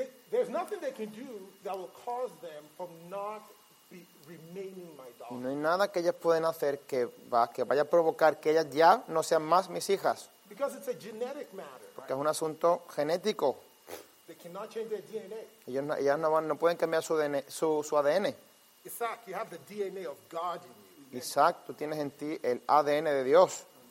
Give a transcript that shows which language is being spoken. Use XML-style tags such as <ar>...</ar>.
<en>There's nothing they can do that will cause them from not remaining my daughter.</en> <es>No hay nada que ellas pueden hacer que vaya a provocar que ellas ya no sean más mis hijas.</es> <en>Because it's a genetic matter.</en> <es>Porque es un asunto genético.</es> <en>They cannot change their DNA.</en> <es>Ellas no pueden cambiar su ADN.</es> <en>Isaac, you have the DNA of God in you.</en> <es>Isaac, tú tienes en ti el ADN de Dios.</es>